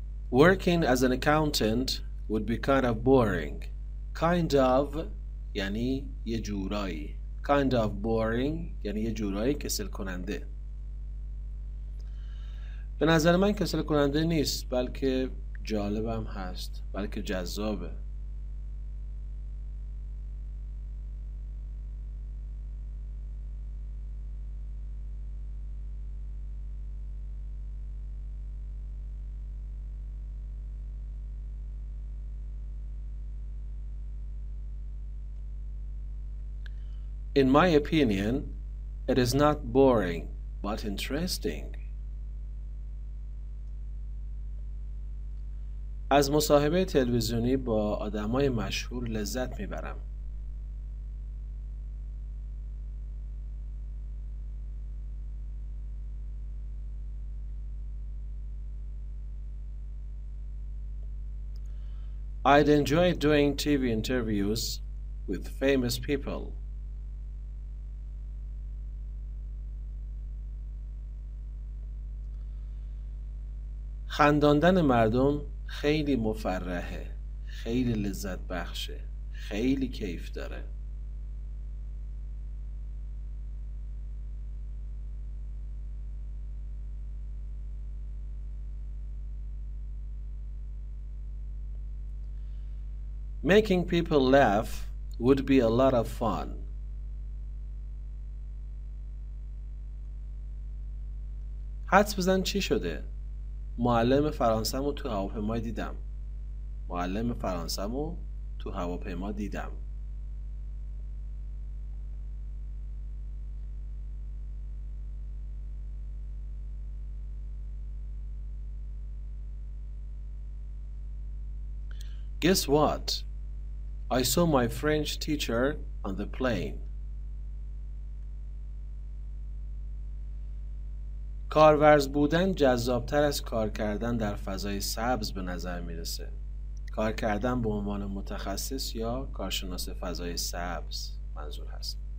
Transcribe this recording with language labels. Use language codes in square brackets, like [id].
[en] Working as an accountant would be kind of boring. [fa] Kind of یعنی یه جورایی. [en] Kind of boring [fa] یعنی یه جورایی کسل کننده. به نظر من کسل کننده نیست، بلکه جالبم هست، بلکه جذابه. [en] In my opinion, it is not boring, but interesting. [fa] از مصاحبه تلویزیونی با آدمای مشهور لذت میبرم. [en] I'd enjoy doing TV interviews with famous people. [fa] خنداندن مردم خیلی مفرحه، خیلی لذت بخشه، خیلی کیف داره. [en] Making people laugh would be a lot of fun. [fa] حدس بزن چی شده؟ معلم فرانسه‌مو تو هواپیما دیدم. معلم فرانسه‌مو تو هواپیما دیدم. [en] Guess what? I saw my French teacher on the plane. [fa] کارورز بودن جذابتر از کار کردن در فضای سبز به نظر میرسه. کار کردن به عنوان متخصص یا کارشناس فضای سبز منظور هست.